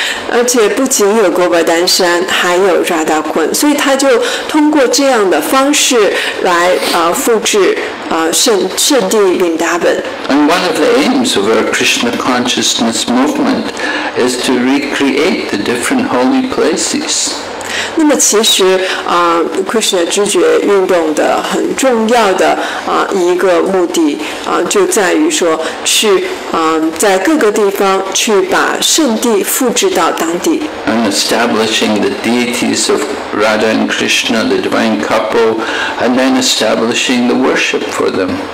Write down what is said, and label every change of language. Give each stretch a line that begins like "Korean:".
Chinese: 而且不仅有哥巴丹山，还有扎达坤，所以他就通过这样的方式来复制圣地 Vrindavan.
English: And one of the aims of our Krishna consciousness movement is to recreate the different holy places.
Chinese: 那么其实Krishna 知觉运动的很重要的一个目的就在于说去在各个地方去把圣地复制到当地。
English: And establishing the deities of Radha and Krishna, the divine couple, and then establishing the worship for them.